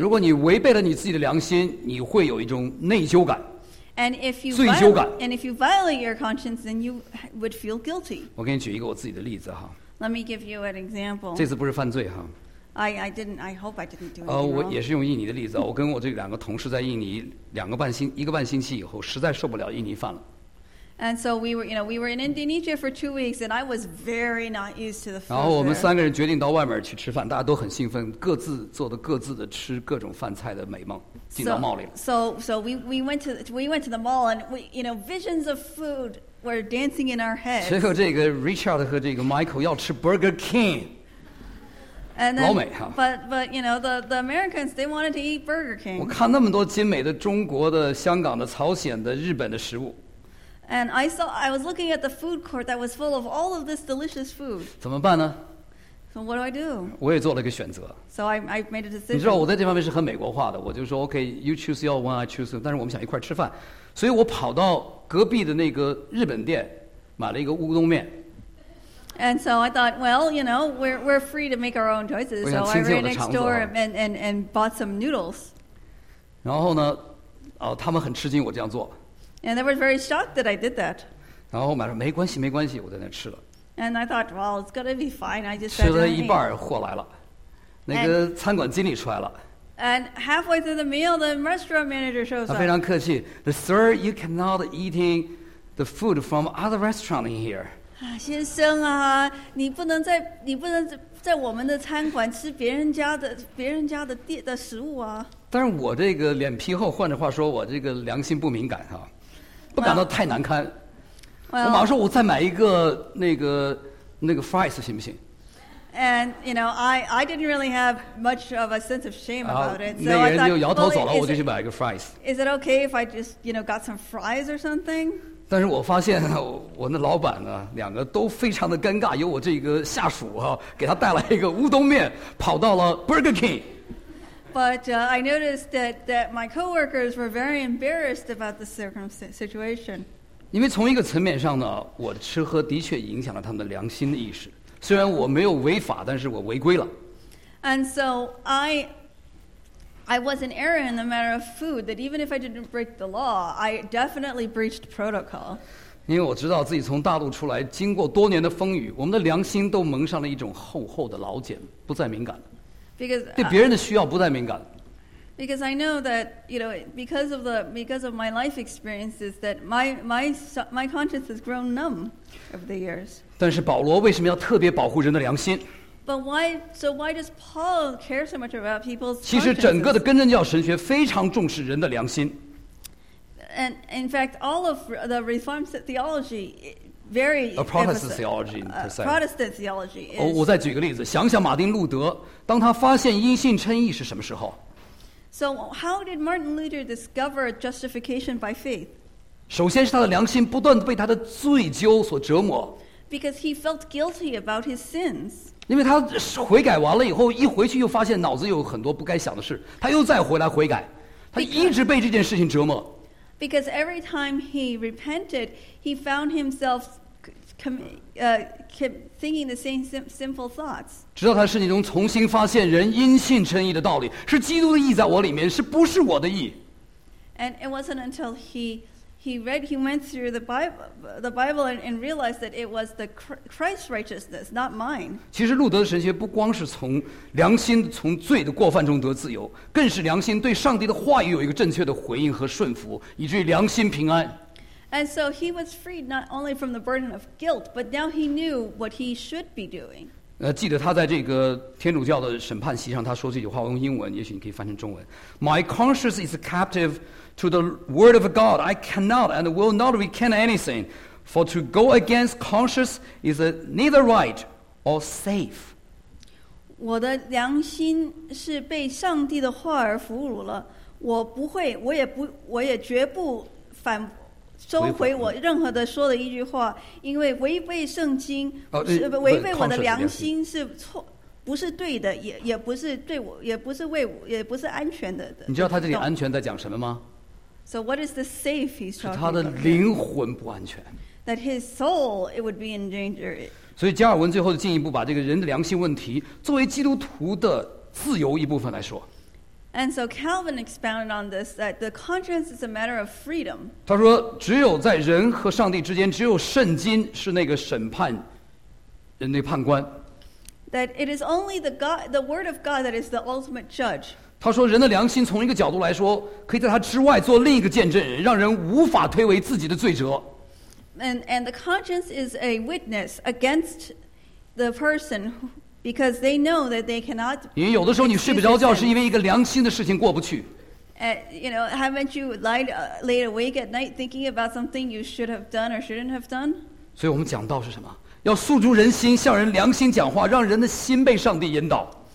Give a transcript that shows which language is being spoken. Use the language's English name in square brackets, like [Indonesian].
[Chinese] 如果你违背了你自己的良心，你会有一种内疚感。 [English] And if you [Chinese] 罪疚感。 [English] And if you violate your conscience, then you would feel guilty. [Chinese] 我给你举一个我自己的例子哈。 [English] Let me give you an example. [Chinese] 这次不是犯罪哈。 [English] I hope I didn't do anything. [Chinese] 我也是用印尼的例子。我跟我这两个同事在印尼一个半星期以后，实在受不了印尼饭了。 [English] And so we were, you know, we were in Indonesia for 2 weeks, and I was very not used to the food. [Chinese] 然后我们三个人决定到外面去吃饭，大家都很兴奋，各自做的各自的吃各种饭菜的美梦，进到 mall 里了。 [English] So we went to the mall, and we, you know, visions of food were dancing in our heads. [Chinese] 结果这个 Richard 和这个 Michael 要吃 Burger King。 [English] And then, [Chinese] 老美哈 [English] but you know the Americans they wanted to eat Burger King. [Chinese] 我看那么多精美的中国的、香港的、朝鲜的、日本的食物。 [English] And I saw I was looking at the food court that was full of all of this delicious food. [Chinese] 怎么办呢 [English] ？So what do I do? [Chinese] 我也做了一个选择。 [English] So I made a decision. [Chinese] 你知道我在这方面是很美国化的，我就说 [English] OK, you choose your one, I choose. [Chinese] 但是我们想一块吃饭，所以我跑到隔壁的那个日本店买了一个乌冬面。 [English] And so I thought, well, you know, we're free to make our own choices. So I ran next door and bought some noodles. [Chinese] 然后呢，他们很吃惊我这样做。 [English] And they were very shocked that I did that. [Chinese] 然后我妈说没关系，没关系，我在那吃了。 [English] And I thought, well, it's gonna be fine. I just [Chinese] 吃了一半，货来了，那个餐馆经理出来了。 [English] And halfway through the meal, the restaurant manager shows up. [Chinese] 他非常客气 [English] ，Sir, you cannot eating the food from other restaurant in here. [Chinese] 先生啊，你不能在我们的餐馆吃别人家的食物啊！但是我这个脸皮厚，换句话说，我这个良心不敏感哈、啊，不感到太难堪。 [English] Well, [Chinese] 我马上说，我再买一个那个 fries 行不行 [English] ？And you know, I didn't really have much of a sense of shame about it. [Chinese] 那个人就摇头走了，我就去买一个 fries。 [English] Is it okay if I just you know got some fries or something？ [Chinese] 但是我发现我那老板呢，两个都非常的尴尬，由我这个下属哈、啊、给他带来一个乌冬面，跑到了 Burger King。 [English] But I noticed that my coworkers were very embarrassed about the situation. [Chinese] 因为从一个层面上呢，我的吃喝的确影响了他们的良心的意识。虽然我没有违法，但是我违规了。 [English] And so I was an error in the matter of food that even if I didn't break the law, I definitely breached protocol. [Chinese] 因为我知道自己从大陆出来，经过多年的风雨，我们的良心都蒙上了一种厚厚的老茧，不再敏感。 [English] Because [Chinese] 对别人的需要不再敏感。 [English] Because I know that you know because of my life experiences that my conscience has grown numb over the years. [Chinese] 但是保罗为什么要特别保护人的良心？ [English] But why does Paul care so much about people's conscience? [Chinese] 其实整个的根正教神学非常重视人的良心。 [English] And in fact, all of the Reformed theology very a Protestant theology in percent. Protestant theology. [Chinese] 我再举个例子，想想马丁路德，当他发现因信称义是什么时候 [English] ？So how did Martin Luther discover justification by faith? [Chinese] 首先是他的良心不断被他的罪疚所折磨。 [English] Because he felt guilty about his sins. [Chinese] 因为他悔改完了以后，一回去又发现脑子有很多不该想的事，他又再回来悔改，他一直被这件事情折磨。 [English] Because every time he repented, he found himself thinking the same sinful thoughts. [Chinese] 直到他身体中重新发现人因信称义的道理，是基督的义在我里面，是不是我的义 [English] ？And it wasn't until he went through the Bible and realized that it was the Christ's righteousness, not mine. [Chinese] 其实路德的神学不光是从良心从罪的过犯中得自由，更是良心对上帝的话语有一个正确的回应和顺服，以至于良心平安。 [English] And so he was freed not only from the burden of guilt, but now he knew what he should be doing. [Chinese] 记得他在这个天主教的审判席上，他说这句话，我用英文，也许你可以翻成中文 ： [English] My conscience is captive. To the word of God, I cannot and will not recant anything, for to go against conscience is neither right or safe. [Chinese] 我的良心是被上帝的话而俘虏了，我不会，我也不，我也绝不反收回我任何的说的一句话，因为违背圣经，违背我的良心是错。不是对的，也不是对我，也不是为我，也不是安全的。你知道他这里安全在讲什么吗？ [English] So what is the safe he's talking about? [Chinese] 他的灵魂不安全。 [English] That his soul it would be in danger. [Chinese] 所以加尔文最后进一步把这个人的良心问题作为基督徒的自由一部分来说。 [English] And so Calvin expounded on this that the conscience is a matter of freedom. [Chinese] 他说只有在人和上帝之间，只有圣经是那个审判人的判官。 [English] That it is only the word of God that is the ultimate judge. [Chinese] 他说人的良心从一个角度来说可以在他之外做另一个见证人让人无法推诿自己的罪责 [English] And the conscience is a witness against the person because they know that they cannot. [Chinese] 有的时候你睡不着觉是因为一个良心的事情过不去。 [English] You know, haven't you laid awake at night thinking about something you should have done or shouldn't have done? [Chinese] 所以我们讲道是什么? 要诉诸人心，向人良心讲话，让人的心被上帝引导。